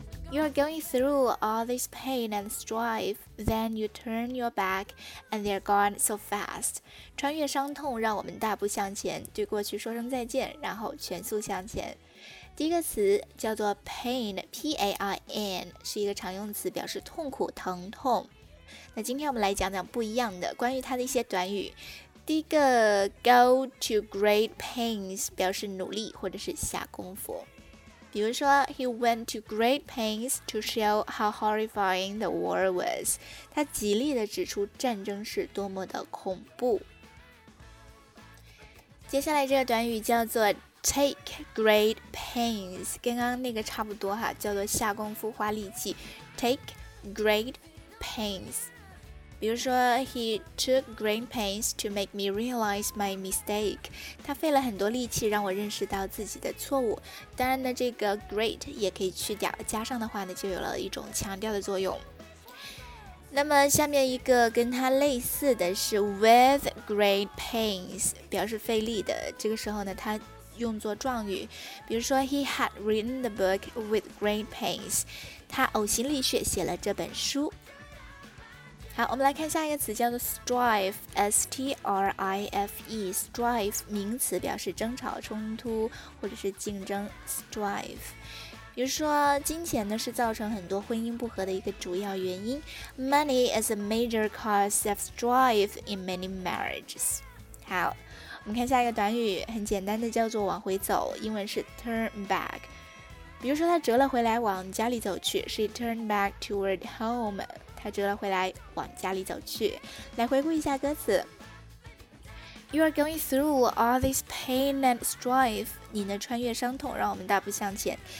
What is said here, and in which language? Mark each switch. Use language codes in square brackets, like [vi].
[en] You're going through all this pain and strife, then you turn your back and they're gone so fast. [zh] 穿越伤痛，让我们大步向前，对过去说声再见，然后全速向前。第一个词叫做 pain, P-A-I-N, 是一个常用词，表示痛苦、疼痛。那今天我们来讲讲不一样的，关于它的一些短语。第一个 [en] go to great pains, [zh] 表示努力或者是下功夫。比如说 [en] he went to great pains to show how horrifying the war was. [zh] 他极力地指出战争是多么的恐怖。接下来这个短语叫做 [en] take great pains, [zh] 跟刚刚那个差不多哈，叫做下功夫花力气。 [en] Take great pains. [zh] 比如说 [en] he took great pains to make me realize my mistake. [zh] 他费了很多力气让我认识到自己的错误。当然呢，这个 great 也可以去掉，加上的话呢，就有了一种强调的作用。那么下面一个跟它类似的是 [en] with great pains, [zh] 表示费力的，这个时候呢它用作状语，比如说 [en] he had written the book with great pains, [zh] 他呕心沥血写了这本书。好，我们来看下一个词叫做 strife, S-T-R-I-F-E, strife, 名词，表示争吵、冲突或者是竞争， strife。比如说金钱呢是造成很多婚姻不和的一个主要原因， [en] Money is a major cause of strife in many marriages. [zh] 好，我们看下一个短语，很简单的叫做往回走，英文是 [en] turn back。 [zh] 比如说他折了回来往家里走去， [en] She turned back toward home. [zh] 他折了回来往家里走去。来回顾一下歌词。 [en] You are going through all this pain and strife. [zh] 你呢穿越伤痛，让我们大步向前。